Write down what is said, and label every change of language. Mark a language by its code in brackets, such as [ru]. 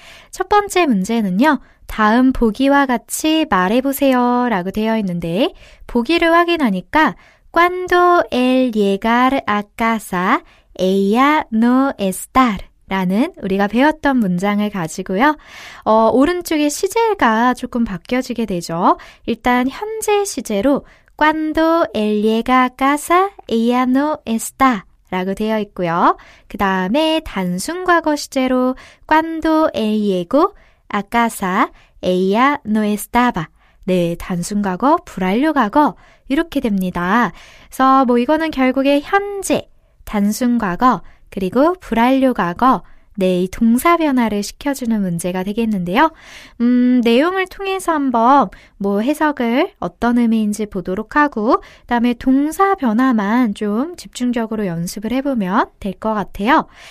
[ko] 첫 번째 문제는요. 다음 보기와 같이 말해보세요 라고 되어 있는데 보기를 확인하니까 [es] Cuando el llegar a casa, ella no está [ko] 라는 우리가 배웠던 문장을 가지고요. 오른쪽에 시제가 조금 바뀌어지게 되죠. 일단 현재 시제로 [es] Cuando él llega a casa, ella no está [ko] 라고 되어 있고요. 그 다음에 단순 과거 시제로 [es] Cuando él llegó a casa, ella no estaba. [ko] 네, 단순 과거, 불완료 과거 이렇게 됩니다. 그래서 뭐 이거는 결국에 현재, 단순 과거, 그리고 불완료 과거 네, 이 동사 변화를 시켜주는 문제가 되겠는데요. 내용을 통해서 한번 뭐 해석을 어떤 의미인지 보도록 하고 그다음에 동사 변화만 좀 집중적으로 연습을 해보면 될 것 같아요.